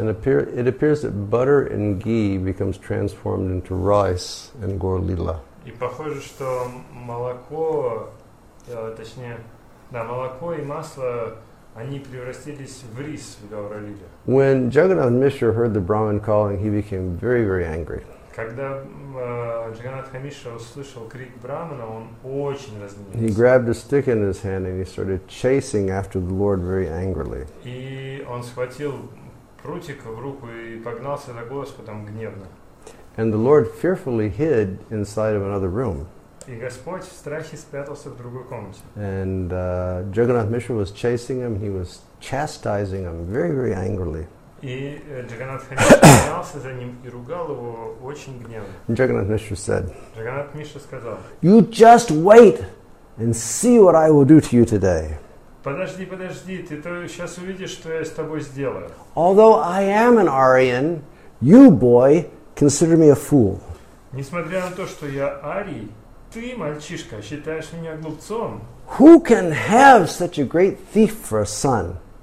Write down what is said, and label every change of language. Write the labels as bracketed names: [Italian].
[English] And it appears that butter and ghee becomes transformed into rice in Gaur Leela. [Russian] И похоже, что молоко, точнее, да, молоко и масло, они превратились в рис в Гаура Лиле. [English] When Jagannath Mishra heard the Brahmin calling, he became very, very angry. [Russian] Когда Джаганнатха Мишра услышал крик Брахмана, он очень разгневался. [English] He grabbed a stick in his hand and he started chasing after the Lord very angrily. [Russian] И он схватил прутик в руку и погнался за Господом гневно. [English] And the Lord fearfully hid inside of another room. [Russian] И Господь в страхе спрятался в другой комнате. [English] And Jagannath Mishra was chasing him, he was chastising him very, very angrily. [Russian] И Джаганнатха Мишра поднялся за ним и ругал его очень гневно. [English] And Jagannath Mishra said, [Russian] Джаганнатха Мишра сказал, [English] "You just wait and see what I will do to you today." [Russian] Подожди, подожди, ты сейчас увидишь, что я с тобой сделаю. [English] Although I am an Aryan, you, boy, consider me a fool. [Russian] Несмотря на то, что я арий, ты, мальчишка, считаешь меня глупцом. [English] Who can have such a great thief for a son?